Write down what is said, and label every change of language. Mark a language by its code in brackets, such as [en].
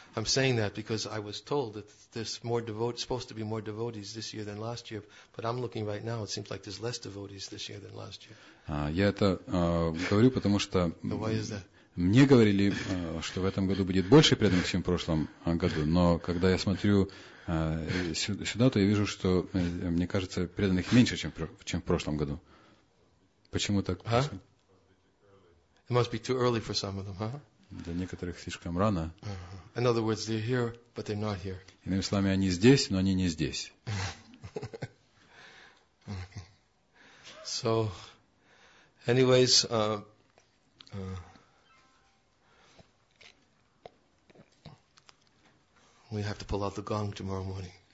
[en] I'm saying that because I was told that there's more devotees, supposed to be more devotees this year than last year, but I'm looking right now, it seems like there's less devotees this year than last year. [ru] Я это говорю, потому что мне говорили, что в этом году будет больше преданных, чем в прошлом году, но когда я смотрю сюда, то я вижу, что, мне кажется, преданных меньше, чем в прошлом году. Почему так? [en] It must be too early for some of them, huh? [ru] Для некоторых слишком рано. [en] In other words, they're here, but they're not here. [ru] Иными словами, они здесь, но они не здесь. [en] So, Anyways, we have to pull out the gong tomorrow morning.